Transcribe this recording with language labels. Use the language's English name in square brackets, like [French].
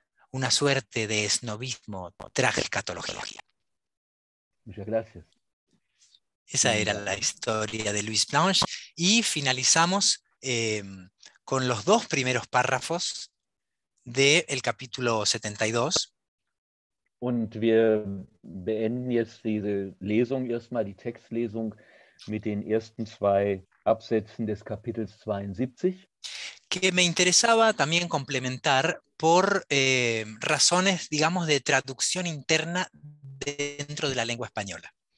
[Spanish] Una suerte de esnobismo trágica. Muchas gracias. Esa era la historia de Louise Blanche. Y finalizamos con los dos primeros párrafos del capítulo 72. [German] Und wir beenden jetzt diese Lesung erstmal, die Textlesung, mit den ersten zwei Absätzen des Kapitels 72. [Spanish] Que me interesaba también complementar por razones, digamos, de traducción interna dentro de la lengua española.